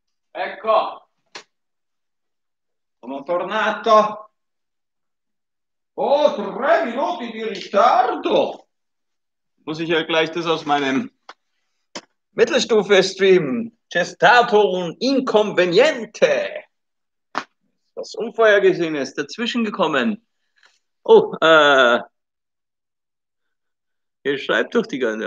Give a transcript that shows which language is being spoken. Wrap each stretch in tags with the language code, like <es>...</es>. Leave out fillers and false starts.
<it>Ecco, sono tornato. Oh, 3 minuti di ritardo!</it> <de>Muss ich ja gleich das aus meinem Mittelstufe-Stream.</de> <it>C'è stato un inconveniente.</it> <de>Was unvorhergesehen ist, dazwischen gekommen. Oh, ihr schreibt doch die ganze.</de>